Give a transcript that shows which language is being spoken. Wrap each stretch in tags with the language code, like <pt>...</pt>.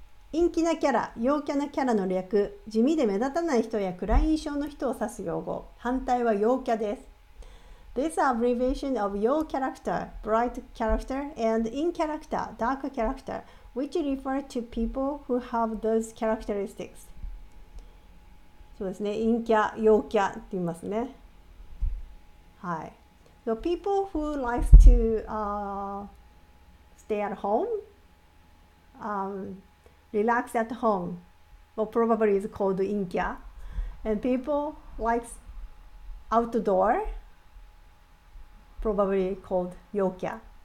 <ja>陰気なキャラ、陽キャなキャラの略。地味で目立たない人や暗い印象の人を指す用語。反対は陽キャです。</ja> <en>This abbreviation of 陽 character, bright character, and 陰 character, dark character, which refer to people who have those characteristics.</en> <ja>そうですね、陰キャ、陽キャって言いますね。はい。</ja> <en>So people who likes to、stay at home,、relax at home, well, probably is called 陰キャ. And people likes outdoor, probably called 陽キャ.</en>